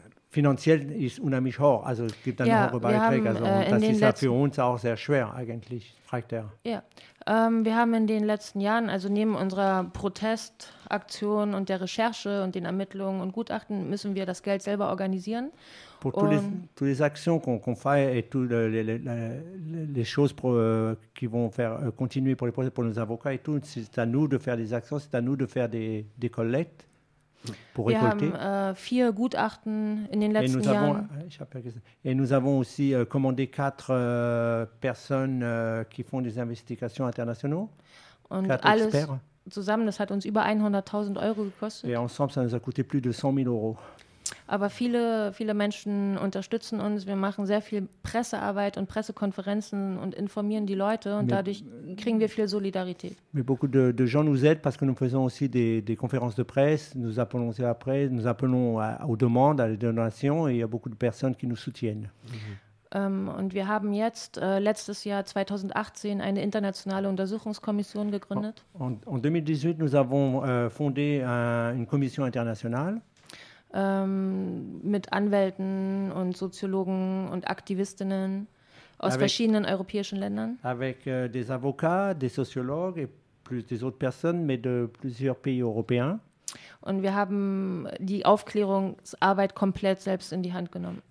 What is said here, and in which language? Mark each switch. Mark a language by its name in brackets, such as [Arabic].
[German] Finanziell ist unheimlich hoch. Also es gibt dann hohe Beiträge. Also, das ist ja für uns auch sehr schwer eigentlich, fragt er. Ja, wir haben in den letzten Jahren, also neben unserer Protestaktion und der Recherche und den Ermittlungen und Gutachten, müssen wir das Geld selber organisieren. [French] Pour toutes les actions qu'on fait et toutes les choses qui vont faire continuer pour les procès, pour nos avocats et tout, c'est à nous de faire des actions, c'est à nous de faire des collectes. [German] Wir haben vier Gutachten in den letzten Jahren. [French] Et nous avons aussi commandé quatre personnes qui font des investigations internationales. [German] Und alles zusammen, das hat uns über 100.000 Euro gekostet. [French] Et ensemble, ça nous a coûté plus de 100 000 euros. [German] Aber viele, viele Menschen unterstützen uns. Wir machen sehr viel Pressearbeit und Pressekonferenzen und informieren die Leute und dadurch kriegen wir viel Solidarität. [French] Mais beaucoup de gens nous aident parce que nous faisons aussi des conférences de presse. Nous appelons à la presse, nous appelons aux demandes, à les donations et il y a beaucoup de personnes qui nous soutiennent. [German] Und wir haben jetzt letztes Jahr 2018 eine internationale Untersuchungskommission gegründet. [French] En 2018, nous avons fondé une commission internationale. [German] Mit Anwälten und Soziologen und Aktivistinnen aus verschiedenen europäischen Ländern. [French] Avec des avocats, des sociologues et plus des autres personnes, mais de plusieurs pays européens. [German] Und wir haben die Aufklärungsarbeit komplett selbst in die Hand genommen.